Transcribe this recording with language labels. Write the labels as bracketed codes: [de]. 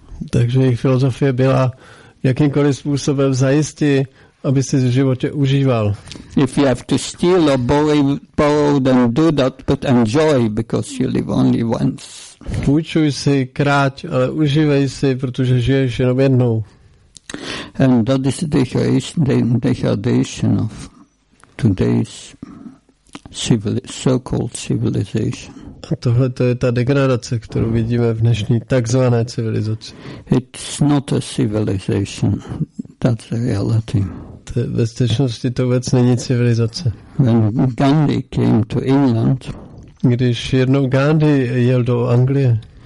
[cs] Takže jejich filozofie byla, jakýmkoliv způsobem zajistí, aby si v životě užíval. [en] If you have to steal or borrow, then do that, but enjoy, because you live only once. [cs] Půjčuj si, kráť, ale užívej si, protože žiješ jenom jednou. [en] And that is the degradation of today's so-called civilization. [cs] A tohle to je ta degradace, kterou vidíme v dnešní takzvané civilizaci. [en] It's not a civilization, that's a reality. [cs] Ve skutečnosti to vůbec není civilizace. [en] When Gandhi came to England, [cs] když jednou Gandhi jel do Anglie,